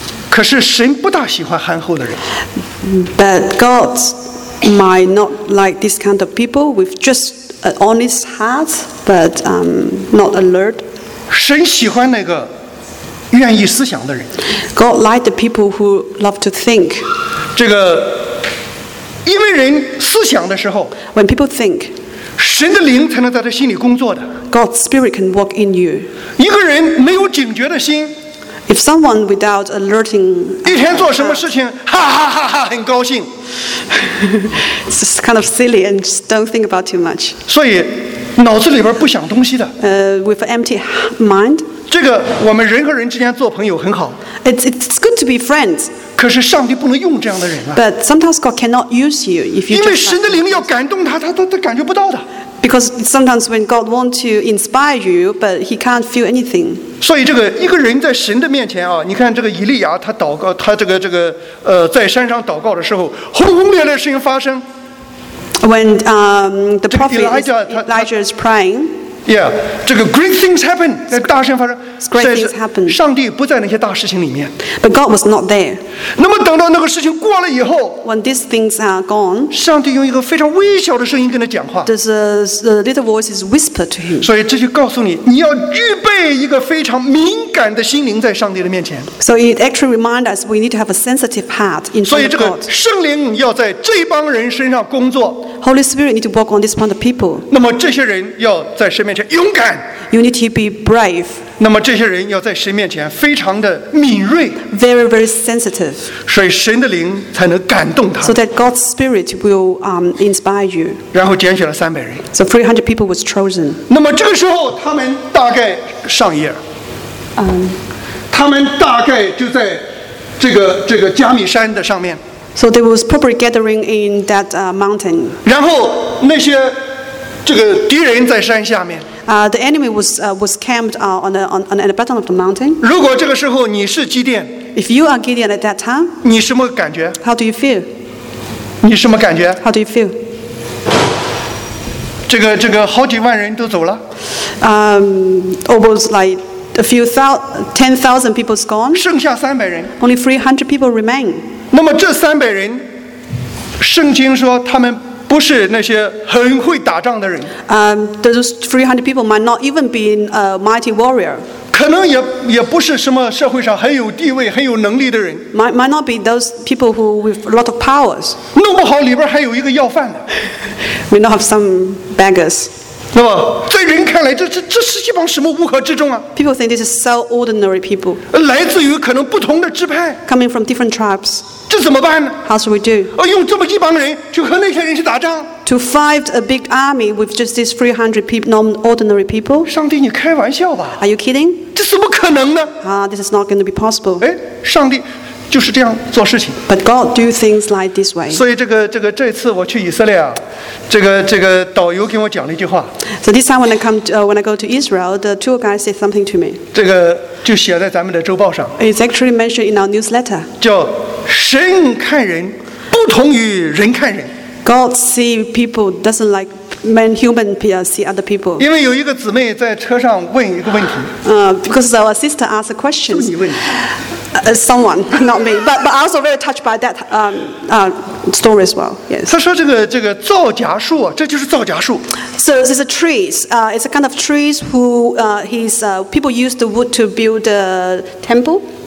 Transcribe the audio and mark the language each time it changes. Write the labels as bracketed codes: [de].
[zh] 可是神不大喜欢憨厚的人。 [en] But God. Might not like this kind of people with just an honest heart, but not alert. [zh] 神喜欢那个愿意思想的人。 [en] God like the people who love to think. [zh] 这个，因为人思想的时候 [en] ，when people think, [zh] 神的灵才能在他心里工作的。 [en] God's spirit can work in you. [zh] 一个人没有警觉的心。 [en] If someone without alerting, [zh] 一天做什么事情，哈哈哈哈，很高兴。 [en] It's just kind of silly and just don't think about too much. [zh] 所以，脑子里边不想东西的。 [en] With an empty mind. [zh] 这个我们人和人之间做朋友很好。 [en] It's good to be friends. [zh] 可是上帝不能用这样的人啊。 [en] But sometimes God cannot use you if you. [zh] 因为神的灵要感动他，他感觉不到的。 [en] Because sometimes when God wants to inspire you, but He can't feel anything. [zh] 所以这个一个人在神的面前啊，你看这个以利亚他祷告，他这个在山上祷告的时候，轰轰烈烈的事情发生。 [en] When the prophet Elijah is praying, Yeah, [zh] 这个 [en] great things happen, [zh] 大事情发生 [en] great things happen. [zh] 上帝不在那些大事情里面 [en] But God was not there. [zh] 那么等到那个事情过了以后 [en] When these things are gone, [zh] 上帝用一个非常微小的声音跟他讲话 [en] The little voice is whispered to him. [zh] 所以这就告诉你你要预备一个非常敏感的心灵在上帝的面前 [en] So it actually reminds us we need to have a sensitive heart in front of God. [zh] 所以这个圣灵要在这帮人身上工作 [en] Holy Spirit needs to work on this kind of people. [zh] 那么这些人要在身边勇敢 [en] You need to be brave. [zh] 那么这些人要在神面前非常的敏锐 [en] Very, very sensitive. [zh] 所以神的灵才能感动他 [en] So that God's spirit will inspire you. [zh] 然后拣选了300人 [en] So 300 people was chosen. [zh] 那么这个时候他们大概上一页他们大概就在这个加米山的上面 [en] So they was probably gathering in that mountain. [zh] 然后那些这个敌人在山下面。 [en] The enemy was camped on the bottom of the mountain. [zh] 如果这个时候你是基甸 [en] ，If you are Gideon at that time, [zh] 你什么感觉 [en] ？How do you feel? [zh] 你什么感觉 [en] ？How do you feel? [zh] 这个好几万人都走了。 [en] Almost like a few ten thousand people's gone. [zh] 剩下三百人。 [en] Only 300 people remain. [zh] 那么这三百人，圣经说他们。不是那些很会打仗的人。 [en] Those 300 people might not even be a mighty warrior. [zh] 可能也不是什么社会上很有地位、很有能力的人。 [en] Might not be those people who with a lot of powers. [zh] 弄不好里边还有一个要饭的。 [en] May not have some beggars. [zh] 那么在人看来，这是一帮什么乌合之众啊 [en] ？People think this is so ordinary people. [zh] 来自于可能不同的支派。 [en] Coming from different tribes. [zh] 这怎么办呢 [en] How should we do? [zh] 用这么一帮人去和那些人去打仗 [en] To fight a big army with just these 300 people, non-ordinary people? [zh] 上帝，你开玩笑吧 [en] Are you kidding? [zh] 这怎么可能呢 [en] This is not going to be possible. [zh] 哎，上帝就是这样做事情 [en] But God do things like this way. [zh] 所以这个这次我去以色列啊，这个导游跟我讲了一句话 [en] So this time when I come to, when I go to Israel, the tour guide said something to me. [zh] 这个就写在咱们的周报上 [en] It's actually mentioned in our newsletter. [zh] 叫神看人不同于人看人 [en] God see people doesn't like men human people see other people [zh] 因为有一个姊妹在车上问一个问题 [en] Because our sister asked a question [zh] 是不是你问 [en] Someone not me but I also very touched by that story as well yes [zh] 她说这个皂荚树这就是皂荚树 [en] So this is a trees it's a kind of trees who people use the wood to build the temple